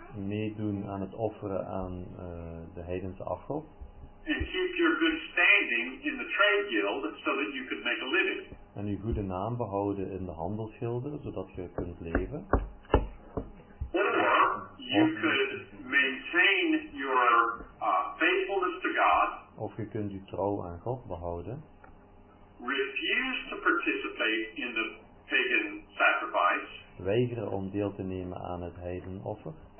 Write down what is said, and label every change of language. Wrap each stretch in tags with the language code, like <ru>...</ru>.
<nl>Meedoen aan het offeren aan de heidense afgod.</nl> <en>And keep your good standing in the trade guild so that you could make a living.</en> <nl>En uw goede naam behouden in de handelsgilden zodat je kunt leven.</nl> <en>Or you could maintain your faithfulness to God.</en> <nl>Of je kunt je trouw aan God behouden.</nl> <en>Refuse to participate in the pagan sacrifice.</en> <nl>Weigeren om deel te nemen aan het heidenoffer.</nl>